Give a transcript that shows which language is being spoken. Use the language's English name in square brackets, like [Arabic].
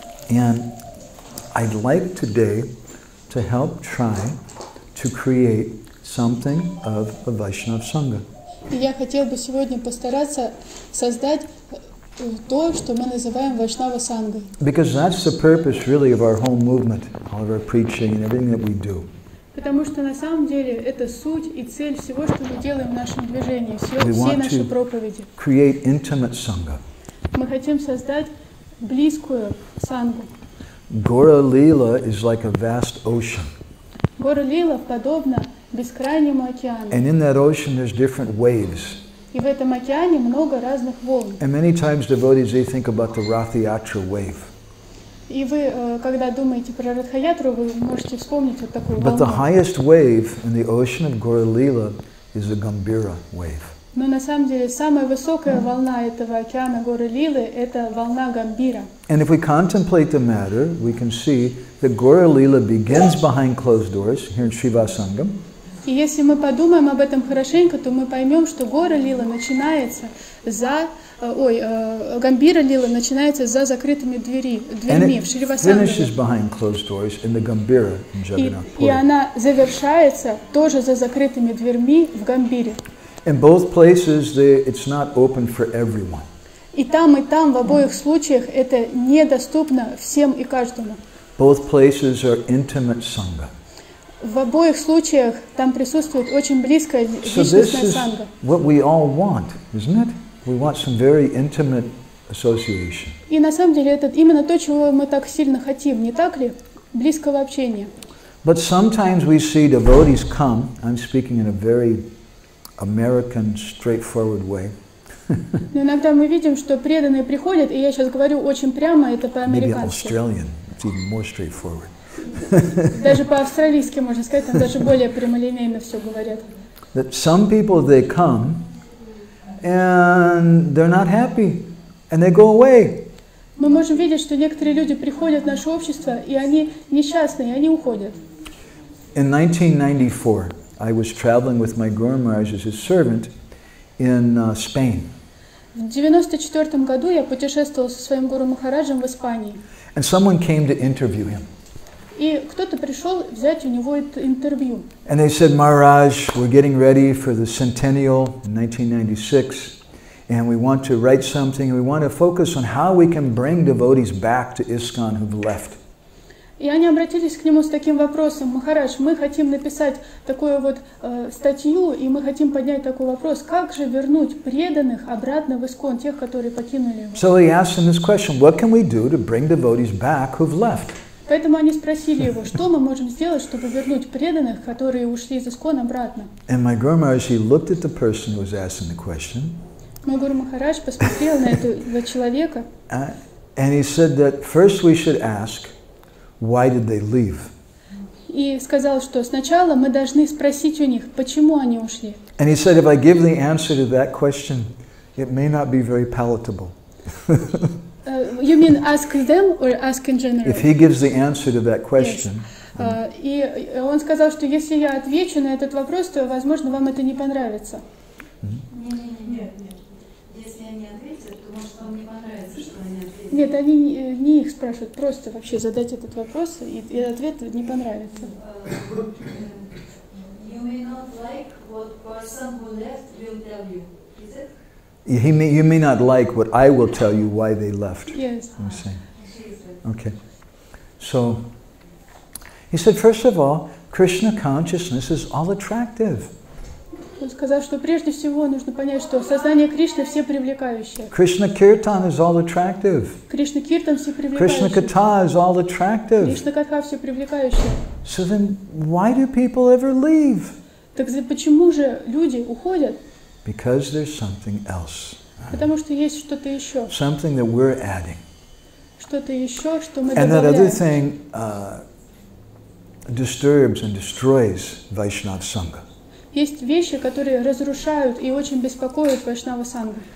[English] And I'd like today to help try to create something of a Vaishnav Sangha. [Russian] Я хотел бы сегодня постараться создать то, что мы называем Вайшнава Санга. [English] Because that's the purpose really of our whole movement, all of our preaching and everything that we do. [Russian] Потому что на самом деле это суть и цель всего, что мы делаем в нашем движении, все наши проповеди. [English] Create intimate sangha. [Russian] Мы хотим создать близкую сангу. [English] Gaura Lila is like a vast ocean. [Russian] Gaura Lila подобна бескрайнему океану. [English] And in that ocean there's different waves. [Russian] И в этом океане много разных волн. [English] And many times devotees they think about the Rathayatra wave. [Russian] И вы, когда думаете про Ратхаятру, вы можете вспомнить вот такую волну. [English] But the highest wave in the ocean of Gaura Lila is a Gambira wave. [Russian] Но на самом деле самая высокая волна этого океана Гора Лилы – это волна Гамбира. [English] And if we contemplate the matter, we can see that Gaura Lila begins behind closed doors here in Shivasangam. [Russian] И если мы подумаем об этом хорошенько, то мы поймем, что Гора Лила начинается за Гамбира Лила начинается за закрытыми дверьми в Шривасангаме. [English] And it finishes behind closed doors in the Gambira in Jagannath Puri. [Russian] И она завершается тоже за закрытыми дверьми в Гамбире. [English] In both places, it's not open for everyone. [Russian] И там в обоих случаях это недоступно всем и каждому. [English] Both places are intimate sangha. [Russian] В обоих случаях там присутствует очень близкая личностная санга. [English] So this is what we all want, isn't it? We want some very intimate association. [Russian] И на самом деле это именно то, чего мы так сильно хотим, не так ли? Близкого общения. [English] But sometimes we see devotees come. I'm speaking in a very American, straightforward way. [Russian] Но иногда мы видим, что преданные приходят, и я сейчас говорю очень прямо, это по-американски. [English] Maybe Australian, it's even more straightforward. [Russian] Даже по-австралийски можно сказать, там даже более прямолинейно все говорят. [English] That some people they come. And they're not happy, and they go away. [Russian] Мы можем видеть, что некоторые люди приходят в наше общество, и они несчастны, и они уходят. [English] In 1994, I was traveling with my Guru Maharaj as his servant in Spain. [Russian] В 94 году я путешествовал со своим Гуру Махараджем в Испании. [English] And someone came to interview him. [Russian] И кто-то пришел взять у него это интервью. [English] And they said, Maharaj, we're getting ready for the centennial in 1996, and we want to write something, and we want to focus on how we can bring devotees back to ISKCON who've left. [Russian] И они обратились к нему с таким вопросом, Махарадж, мы хотим написать такую вот статью, и мы хотим поднять такой вопрос, как же вернуть преданных обратно в ИСККОН, тех, которые покинули его. [English] So he asked him this question, what can we do to bring devotees back who've left? [Russian] Поэтому они спросили его, что мы можем сделать, чтобы вернуть преданных, которые ушли из ИСККОН, обратно. [English] And my Guru Maharaj, he looked at the person who was asking the question. [Russian] Мой Гуру Махарадж посмотрел на этого человека. [English] And he said that first we should ask, why did they leave? [Russian] И сказал, что сначала мы должны спросить у них, почему они ушли. [English] And he said, if I give the answer to that question, it may not be very palatable. You mean ask them or ask in general? If he gives the answer to that question. Yes. [Russian] И он сказал, что если я отвечу на этот вопрос, то, возможно, вам это не понравится. Нет, нет, нет. Если они ответят, то, может, вам не понравится, что они ответят. Нет, они не их спрашивают, просто вообще задать этот вопрос, и ответ не понравится. [English] You may not like what person who left will tell you, is it? You may not like what I will tell you why they left. Yes. I'm saying. Okay. So, he said, first of all, Krishna consciousness is all attractive. [Russian] Он сказал, что прежде всего нужно понять, что сознание Кришны все привлекающее. [English] Krishna kirtan is all attractive. [Russian] Krishna kirtan все привлекающее. [English] Krishna katha is all attractive. [Russian] Krishna katha все привлекающее. [English] So then, why do people ever leave? [Russian] Так почему же люди уходят? [English] Because there's something else. [Russian] Потому что есть что-то еще. [English] Something that we're adding. [Russian] Что-то еще, что мы добавляем. [English] And that other thing disturbs and destroys Vaishnav Sangha. [Russian] Есть вещи, которые разрушают и очень беспокоят Вайшнава Сангху.